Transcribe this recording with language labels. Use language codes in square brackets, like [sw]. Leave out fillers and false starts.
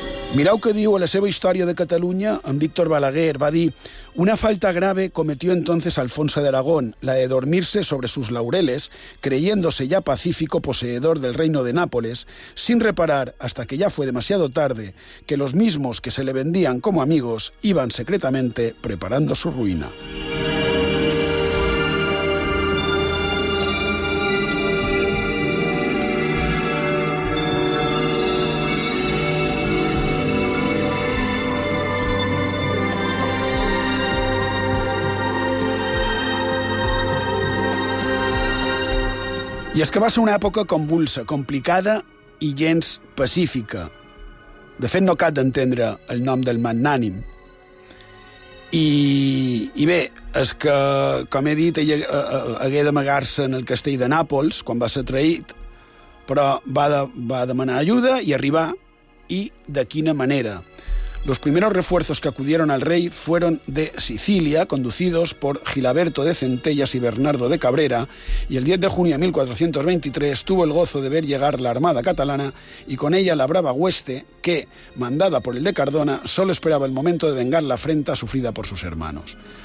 [ca] Mireu què diu a la seva història de Catalunya en Víctor Balaguer. [es] Va dir: una falta grave cometió entonces Alfonso de Aragón, la de dormirse sobre sus laureles, creyéndose ya pacífico poseedor del reino de Nápoles, sin reparar, hasta que ya fue demasiado tarde, que los mismos que se le vendían como amigos iban secretamente preparando su ruina. [ca] I és que va ser una època convulsa, complicada i gens pacífica. De fet, no cal d'entendre el nom del magnànim. I bé, és que, com he dit, ell hagué d'amagar-se en el castell de Nàpols quan va ser traït, però va demanar ajuda i arribar, i de quina manera. [es] Los primeros refuerzos que acudieron al rey fueron de Sicilia, conducidos por Gilaberto de Centellas y Bernardo de Cabrera, y el 10 de junio de 1423 tuvo el gozo de ver llegar la armada catalana y con ella la brava hueste que, mandada por el de Cardona, solo esperaba el momento de vengar la afrenta sufrida por sus hermanos.